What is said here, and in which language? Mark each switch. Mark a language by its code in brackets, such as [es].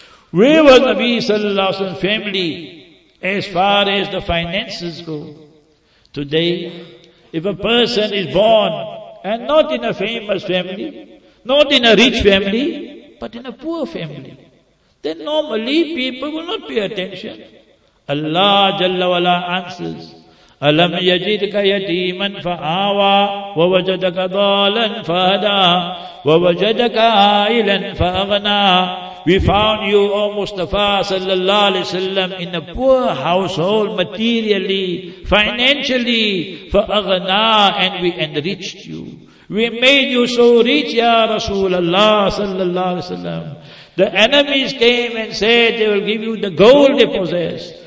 [en] Where was Nabi sallallahu alayhi wa sallam's family as far as the finances go? Today, if a person is born, and not in a famous family, not in a rich family, but in a poor family, then normally people will not pay attention. [ar] Allah jalla wa ala answers, أَلَمْ يَجِدْكَ يَتِيمًا فَآوَى وَوَجَدَكَ ضَالًا فَهَدَى وَوَجَدَكَ عَائِلًا فَأَغْنَى. [en] We found you, O Mustafa sallallahu alayhi wa sallam, in a poor household materially, financially, فَأَغْنَى, and we enriched you. We made you so rich, Ya Rasulullah sallallahu alayhi wa sallam. The enemies came and said they will give you the gold they possess.